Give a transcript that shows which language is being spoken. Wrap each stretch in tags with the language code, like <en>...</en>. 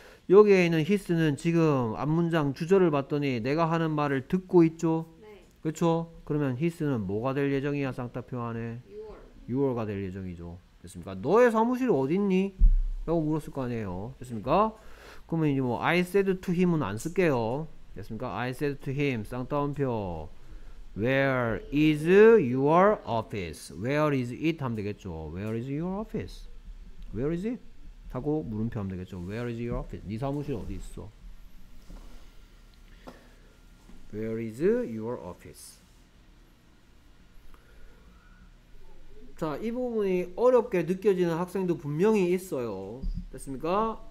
<ko>여기에 있는 히스는 지금 앞문장 주절을 봤더니 내가 하는 말을 듣고 있죠? 그렇죠? 그러면 히스는 뭐가 될 예정이야? 쌍따옴표 안에 유월가 될 예정이죠. 됐습니까? 너의 사무실 어딨니? 라고 물었을 거 아니에요. 됐습니까? 그러면 이제 뭐</ko> <en>I said to him</en> <ko>은 안 쓸게요. 됐습니까?</ko> <en>I said to him</en> <ko>쌍따옴표</ko> <en>Where is your office? Where is it? 하면 되겠죠. Where is your office? Where is it?</en> <ko>하고 물음표 하면 되겠죠.</ko> <en>Where is your office?</en> <ko>네 사무실 어디 있어?</ko> <en>Where is your office?</en> <ko>자, 이 부분이 어렵게 느껴지는 학생도 분명히 있어요. 됐습니까?</ko>